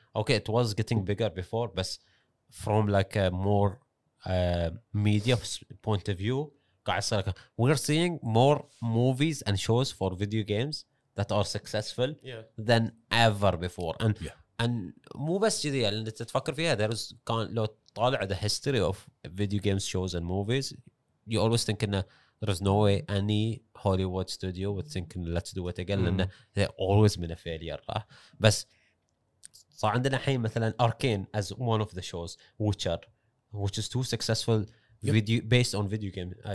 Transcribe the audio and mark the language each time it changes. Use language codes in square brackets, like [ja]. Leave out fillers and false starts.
[en] Okay, it was getting bigger before, but from like a more media point of view, we're seeing more movies and shows for video games that are successful than ever before. [ar] And and مو بس كذي اللي تتفكر فيها. [en] There was [ar] لو طالع [en] the history of video games shows and movies, you always think إنه there's no way any Hollywood studio would think let's do it again. لأن they always been a failure. [ar] بس صار عندنا الحين مثلا أركين [en] as one of the shows, Witcher, which is too successful video based on video game.